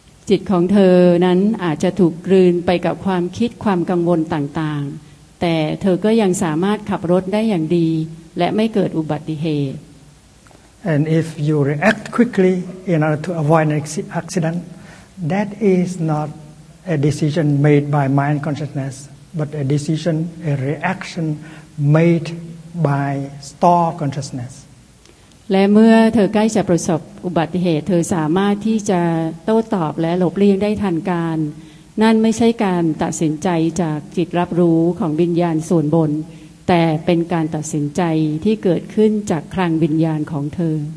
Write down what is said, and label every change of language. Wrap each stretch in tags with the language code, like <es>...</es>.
<th>จิตของเธอนั้นอาจจะถูกกลืนไปกับความคิดความกังวลต่างๆแต่เธอก็ยังสามารถขับรถได้อย่างดีและไม่เกิดอุบัติเหตุ</th> <en>And if you react quickly in order to avoid an accident that is not a decision made by mind consciousness but a decision a reaction made by store consciousness</en> <th>และเมื่อเธอใกล้จะประสบอุบัติเหตุเธอสามารถที่จะโต้ตอบและหลบเลี่ยงได้ทันการนั่นไม่ใช่การตัดสินใจจากจิตรับรู้ของวิญญาณส่วนบนแต่เป็นการตัดสินใจที่เกิดขึ้นจากคลังวิญญาณของเธอ</th>